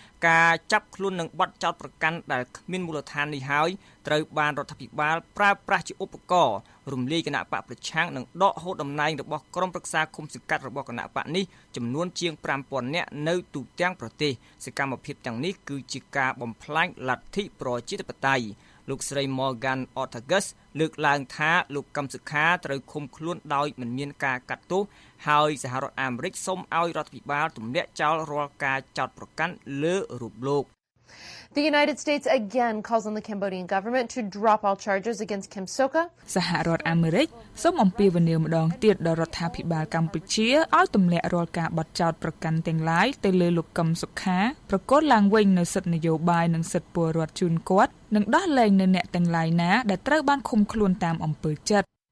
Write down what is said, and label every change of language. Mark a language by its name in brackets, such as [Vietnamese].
[Khmer] ការចាប់ខ្លួននិងបទចោទប្រកាន់ដែលគ្មានមូលដ្ឋាននេះហើយត្រូវបានរដ្ឋាភិបាលប្រើប្រាស់ជាឧបករណ៍រំលាយគណៈបកប្រឆាំងនិងដកហូតតំណែងរបស់ក្រុមប្រឹក្សាឃុំសង្កាត់របស់គណៈបកនេះចំនួនជាង 5,000 នាក់នៅទូទាំងប្រទេសសកម្មភាពទាំងនេះគឺជាការបំផ្លាញលទ្ធិប្រជាធិបតេយ្យ លោកស្រី Morgan Ortagus លើកឡើងថាលោកកឹមសុខាត្រូវឃុំខ្លួនដោយមិនមានការកាត់ទោសហើយសហរដ្ឋអាមេរិកសូមឲ្យរដ្ឋាភិបាលទម្លាក់ចោលរាល់ការចោទប្រកាន់លើរូបលោក [English] The United States again calls on the Cambodian government to drop all charges against Kim Soka [Khmer] សហរដ្ឋអាមេរិកសូមអំពាវនាវម្ដងទៀតដល់រដ្ឋាភិបាលកម្ពុជាឲ្យទម្លាក់រាល់ការបាត់ចោតប្រកាន់ទាំងឡាយទៅលើលោកកឹមសុខាប្រកាសឡើងវិញនៅសិទ្ធិនយោបាយនិងសិទ្ធិពលរដ្ឋជូនគាត់និងដោះលែងនៅអ្នកទាំងឡាយណាដែលត្រូវបានឃុំខ្លួនតាមអំពើចិត្ត